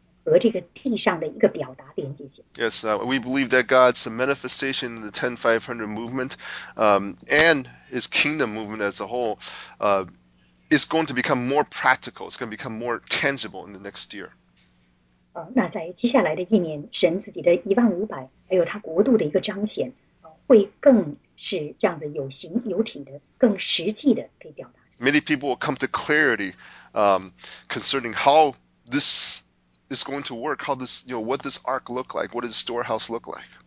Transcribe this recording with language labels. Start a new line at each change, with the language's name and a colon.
Chinese: 这些事物能够知道如何用非常实际的方式和这个地上的一个表达连接起来。Yes,
English: we believe that God's manifestation in the 10500 movement and his kingdom movement as a whole is going to become more practical, it's going to become more tangible in the next year.
Chinese: 那在接下来的一年，神自己的1500还有他国度的一个彰显会更
English: Many people will come to clarity concerning how this is going to work, how this, you know, what this ark look like, what does the storehouse look like.